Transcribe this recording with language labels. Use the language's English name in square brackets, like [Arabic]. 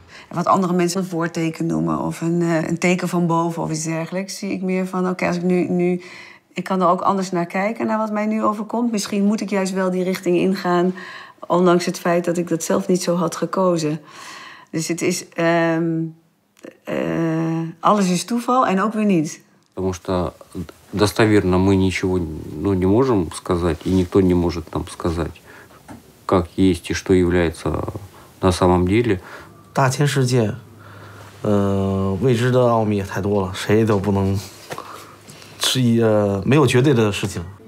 [Dutch] Wat andere mensen een voorteken noemen of een teken van boven of iets dergelijks, zie ik meer van. Oké, als ik nu ik kan er ook anders naar kijken naar wat mij nu overkomt. Misschien moet ik juist wel die richting ingaan, ondanks het feit dat ik dat zelf niet zo had gekozen. Dus het is alles is toeval en ook weer niet. [Russian] Потому что достоверно мы ничего не можем сказать и никто не может нам сказать, как есть и что является на самом деле. [Chinese] 大千世界, 未知的奥秘太多了, 谁都不能, 是一, 没有绝对的事情。